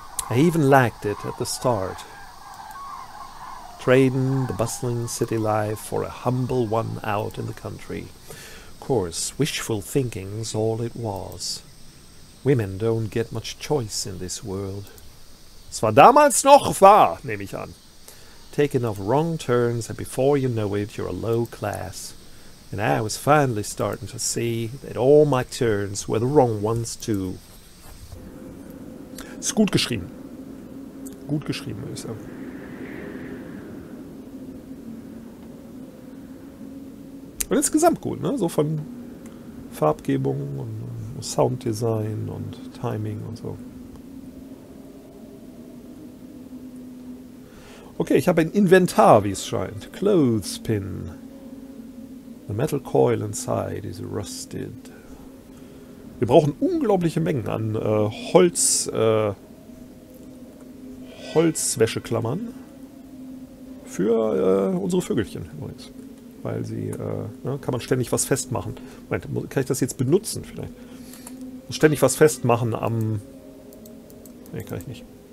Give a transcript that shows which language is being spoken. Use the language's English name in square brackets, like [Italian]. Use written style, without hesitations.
[English] I even liked it at the start, trading the bustling city life for a humble one out in the country. Of course, wishful thinking's all it was. Women don't get much choice in this world. [German] Es war damals noch wahr, nehme ich an. [English] Taken off wrong turns and before you know it, you're a low class. And I was finally starting to see that all my turns were the wrong ones too. [German] Ist gut geschrieben. Gut geschrieben ist er. Und insgesamt gut, ne? So von Farbgebung und Sounddesign und Timing und so. Okay, ich habe ein Inventar, wie es scheint. [English] Clothespin. The metal coil inside is rusted. [German] Wir brauchen unglaubliche Mengen an Holzwäscheklammern. Für unsere Vögelchen übrigens. Weil sie, kann man ständig was festmachen. Moment, kann ich das jetzt benutzen vielleicht? Ständig was festmachen am... Ne, kann ich nicht.